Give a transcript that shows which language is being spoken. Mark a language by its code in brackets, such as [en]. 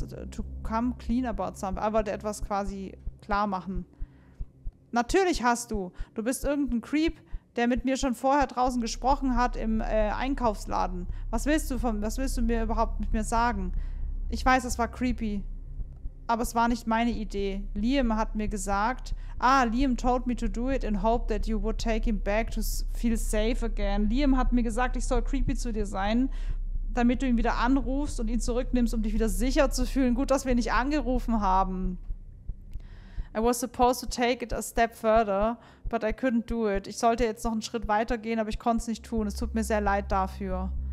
[en] To come clean about something. [de] Aber etwas quasi klar machen. Natürlich hast du. Du bist irgendein Creep, der mit mir schon vorher draußen gesprochen hat im Einkaufsladen. Was willst du mir überhaupt mit mir sagen? Ich weiß, es war creepy. Aber es war nicht meine Idee. Liam hat mir gesagt, ah, [en] Liam told me to do it in hope that you would take him back to feel safe again. [de] Liam hat mir gesagt, ich soll creepy zu dir sein, damit du ihn wieder anrufst und ihn zurücknimmst, um dich wieder sicher zu fühlen. Gut, dass wir nicht angerufen haben. [en] I was supposed to take it a step further, but I couldn't do it. [de] Ich sollte jetzt noch einen Schritt weiter gehen, aber ich konnte es nicht tun. Es tut mir sehr leid dafür.